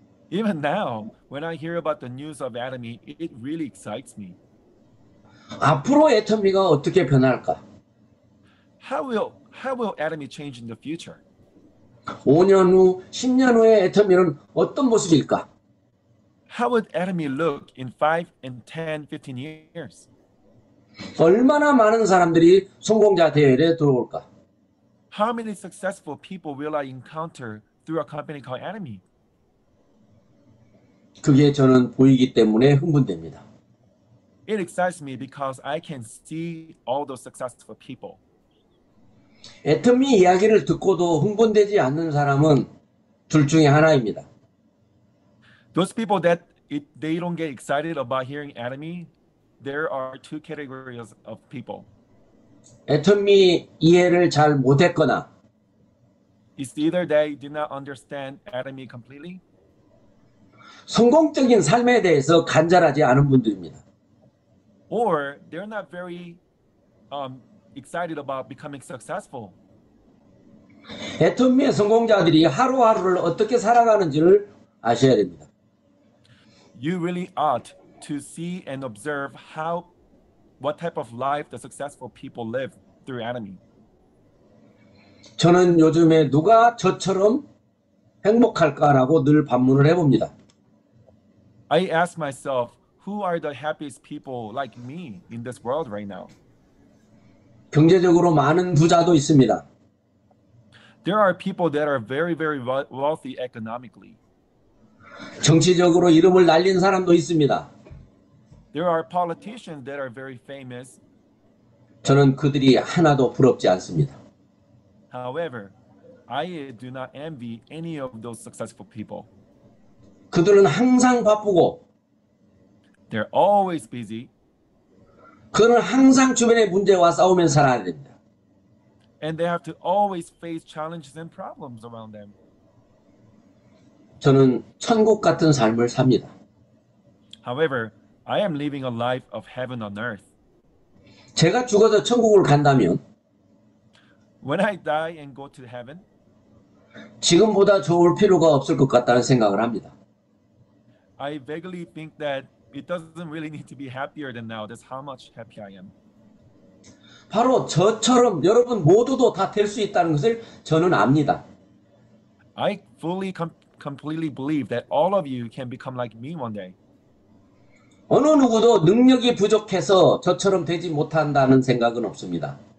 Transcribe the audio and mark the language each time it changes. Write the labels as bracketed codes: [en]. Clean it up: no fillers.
[en] Even now, when I hear about the news of Atomy, it really excites me. [ko] 앞으로 애터미가 어떻게 변할까? [en] How will Atomy change in the future? [ko] 5년 후, 10년 후에 애터미는 어떤 모습일까? [en] How would Atomy look in 5 and 10, 15 years? [ko] 얼마나 많은 사람들이 성공자 대회에 들어올까? [en] How many successful people will I encounter through a company called Atomy? [ko] 그게 저는 보이기 때문에 흥분됩니다. [en] It excites me because I can see all those successful people. [ko] 애터미 이야기를 듣고도 흥분되지 않는 사람은 둘 중에 하나입니다. [en] Those people that they don't get excited about hearing Atomy, there are two categories of people. [ko] 애터미 이해를 잘 못했거나 [en] It's either they did not understand Atomy completely. [ko] 성공적인 삶에 대해서 간절하지 않은 분들입니다. [en] Or they're not very excited about becoming successful. [ko] 애터미의 성공자들이 하루하루를 어떻게 살아가는지를 아셔야 됩니다. [en] You really ought to see and observe what type of life the successful people live through Atomy. [ko] 저는 요즘에 누가 저처럼 행복할까라고 늘 반문을 해봅니다. [en] I ask myself, who are the happiest people like me in this world right now? [ko] 경제적으로 많은 부자도 있습니다. [en] There are people that are very, very wealthy economically. [ko] 정치적으로 이름을 날린 사람도 있습니다. [en] There are politicians that are very famous. [ko] 저는 그들이 하나도 부럽지 않습니다. [en] However, I do not envy any of those successful people. [ko] 그들은 항상 바쁘고 [en] They're always busy. [ko] 그는 항상 주변의 문제와 싸우면서 살아야 됩니다. [en] And they have to always face challenges and problems around them. [ko] 저는 천국 같은 삶을 삽니다. [en] However, I am living a life of heaven on earth. [ko] 제가 죽어서 천국을 간다면 [en] When I die and go to heaven, [ko] 지금보다 좋을 필요가 없을 것 같다는 생각을 합니다. [en] I vaguely think that it doesn't really need to be happier than now. That's how much happy I am. [ko] 바로 저처럼 여러분 모두도 다 될 수 있다는 것을 저는 압니다. [en] I fully completely believe that all of you can become like me one day. [ko] 어느 누구도 능력이 부족해서 저처럼 되지 못한다는 생각은 없습니다.